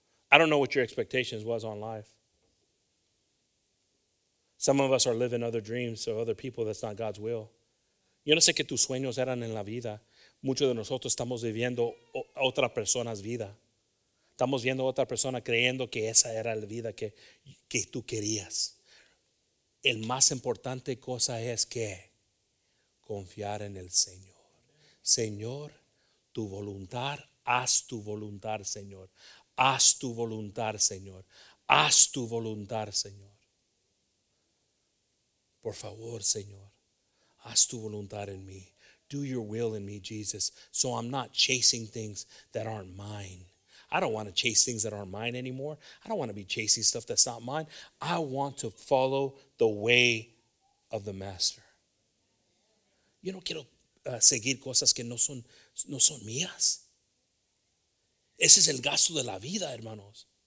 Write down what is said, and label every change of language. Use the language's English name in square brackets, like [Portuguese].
[English] I don't know what your expectations was on life. Some of us are living other dreams of other people. That's not God's will. [Spanish] Yo no sé qué tus sueños eran en la vida. Muchos de nosotros estamos viviendo otra persona's vida. Estamos viendo otra persona creyendo que esa era la vida que tú querías. El más importante cosa es que confiar en el Señor. Señor, tu voluntad, haz tu voluntad, Señor. Haz tu voluntad, Señor. Haz tu voluntad, Señor. Por favor, Señor, haz tu voluntad en mí. [English] Do your will in me, Jesus, so I'm not chasing things that aren't mine. I don't want to chase things that aren't mine anymore. I don't want to be chasing stuff that's not mine. I want to follow the way of the Master. [Spanish] Yo no quiero seguir cosas que no son mías. Ese es el gasto de la vida, hermanos.